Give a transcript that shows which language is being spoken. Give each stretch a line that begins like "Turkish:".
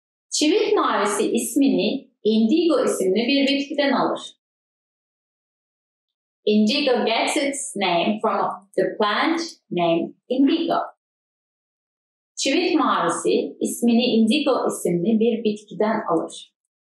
Turkish: Çivit mavisi ismini indigo isimli bir bitkiden alır.
English: Indigo gets its name from the plant named indigo.
Turkish: Çivit mavisi ismini indigo isimli bir bitkiden alır.